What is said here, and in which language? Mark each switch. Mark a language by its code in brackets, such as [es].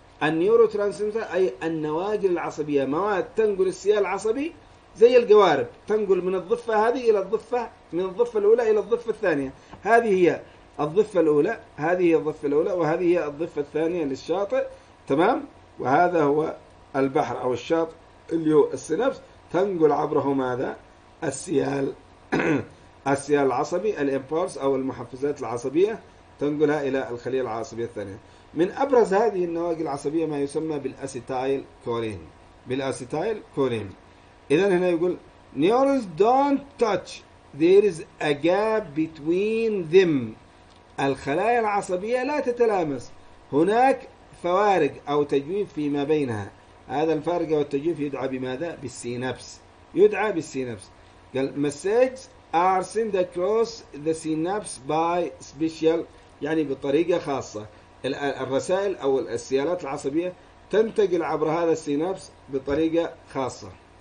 [ar] النيورو ترانسميتر أي النواجل العصبية، مواد تنقل السيال العصبي زي القوارب، تنقل من الضفة هذه إلى الضفة، من الضفة الأولى إلى الضفة الثانية، هذه هي الضفة الأولى، هذه هي الضفة الأولى، وهذه هي الضفة الثانية للشاطئ، تمام، وهذا هو البحر أو الشاطئ اللي هو السينابس، تنقل عبره ماذا؟ السيال السيال العصبي الامبولس أو المحفزات العصبية، تنقلها إلى الخلية العصبية الثانية. من أبرز هذه النواقل العصبية ما يسمى بالأسيتايل كولين، بالأسيتايل كولين. إذن هنا يقول [en] neurons don't touch، there is a gap between them، [ar] الخلايا العصبية لا تتلامس، هناك فوارق أو تجويف فيما بينها. هذا الفارق أو التجويف يدعى بماذا؟ بالسينابس، يدعى بالسينابس. قال [en] messages are sent across the synapse by special، [ar] يعني بطريقة خاصة الرسائل أو السيالات العصبية تنتقل عبر هذا السينابس بطريقة خاصة.